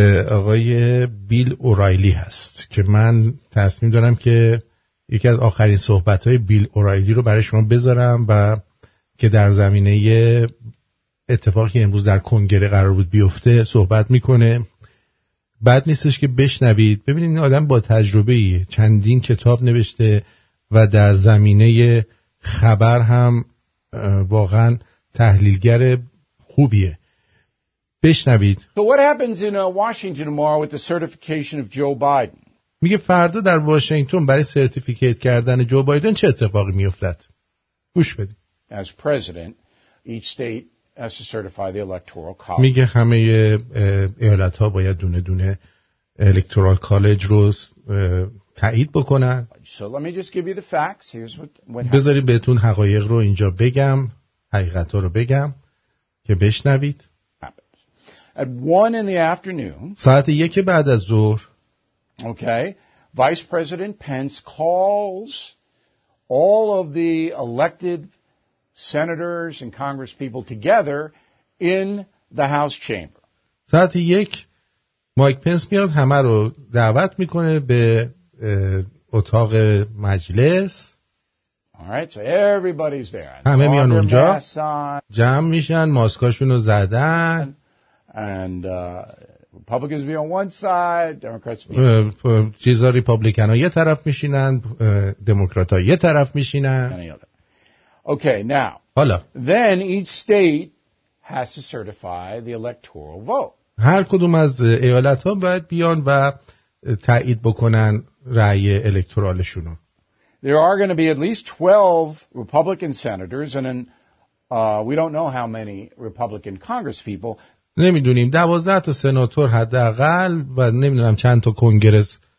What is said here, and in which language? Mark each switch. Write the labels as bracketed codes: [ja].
[fa] آقای بیل اورایلی هست که من تصمیم دارم که یکی از آخرین صحبت‌های بیل اورایلی رو برای شما بذارم و که در زمینه اتفاقی امروز در کنگره قرار بود بیفته صحبت میکنه. بد نیستش که بشنوید. ببینید این آدم با تجربه ایه، چندین کتاب نوشته و در زمینه خبر هم واقعا تحلیلگر خوبیه. بشنوید. [en] So what happens in Washington tomorrow with the certification of Joe Biden? [fa] میگه فردا در واشنگتن برای سرتیفیکیت کردن جو بایدن چه اتفاقی میفتد؟ گوش بدید. [en] As president, each state has to certify the electoral college. [fa] میگه همه ایالت ها باید دونه دونه الکترال کالج رو تایید بکنن. [en] So let me just give you the facts. Here's what happened. [fa] بذارید بهتون حقایق رو اینجا بگم، حقیقت ها رو بگم که بشنوید. [en] At 1 in the afternoon. [fa] ساعت 1 بعد از ظهر. [en] Okay. Vice President Pence calls all of the elected senators and congress people together in the house chamber. [fa] ساعت 1 مایک پنس میاد همه رو دعوت میکنه به اتاق مجلس. [en] All right, so everybody's there. [fa] همه میان اونجا. جمع میشن، ماسکاشون رو زدن. [en] And Republicans be on one side, Democrats be [fa] چیزا ریپابلیکن ها یه طرف میشینن، دموکرات ها یه طرف میشینن. [en] Okay, now. [fa] حالا. [en] Then each state has to certify the electoral vote. [fa] هر کدوم از ایالت‌ها باید بیان و تایید بکنن رأی الکترالشون رو. [en] There are going to be at least 12 Republican senators and we don't know how many Republican Congress people. [fa] نمی‌دونیم 12 تا سناتور حداقل و نمی‌دونم چند تا کنگرس